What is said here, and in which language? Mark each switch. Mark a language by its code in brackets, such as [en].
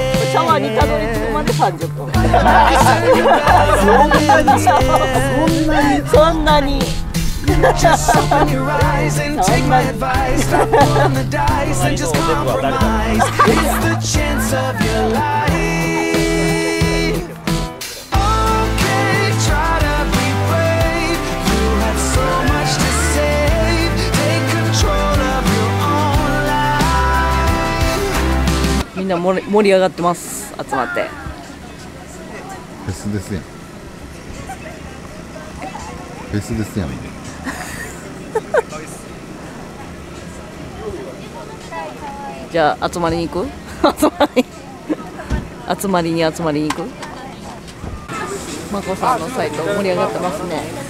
[ja] シャワーにたどり着くまで30分、そんなにそんなにそんなに [en] Just open your eyes and take my advice. Roll on the dice and just compromise. It's the chance of your life. Okay, try to be brave. You have so much to save. Take control of your own life. [ja] みんな盛り上がってます。集まって。フェスですやん。フェスですやん。じゃあ集まりに行く集まりに集まりに行く、まこさんのサイト盛り上がってますね。